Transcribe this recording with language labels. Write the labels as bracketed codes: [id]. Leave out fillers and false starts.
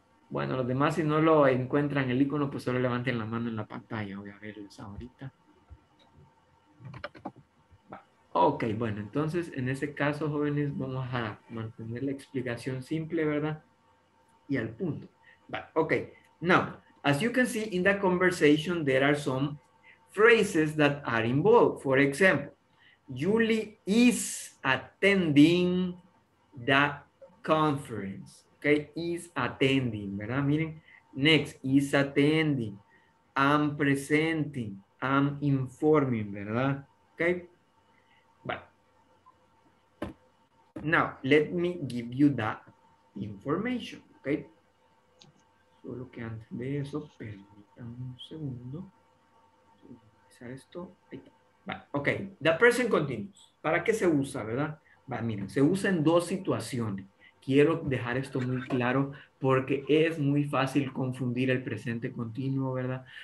[es] Bueno, los demás, si no lo encuentran el icono, pues solo levanten la mano en la pantalla. Voy a verlos ahorita. Ok, bueno, entonces en ese caso, jóvenes, vamos a mantener la explicación simple, ¿verdad? Y al punto. [en] But, ok, now, as you can see in the conversation, there are some phrases that are involved. For example, Julie is attending the conference. Ok, is attending, ¿verdad? Miren, next, is attending. I'm presenting. I'm informing, ¿verdad? Ok. Now, let me give you that information, okay? [es] Solo que antes de eso, permítanme un segundo. Empezar esto. [en] Okay, the present continuous. [es] ¿Para qué se usa, verdad? Va, mira, se usa en dos situaciones. Quiero dejar esto muy claro porque es muy fácil confundir el presente continuo, ¿verdad?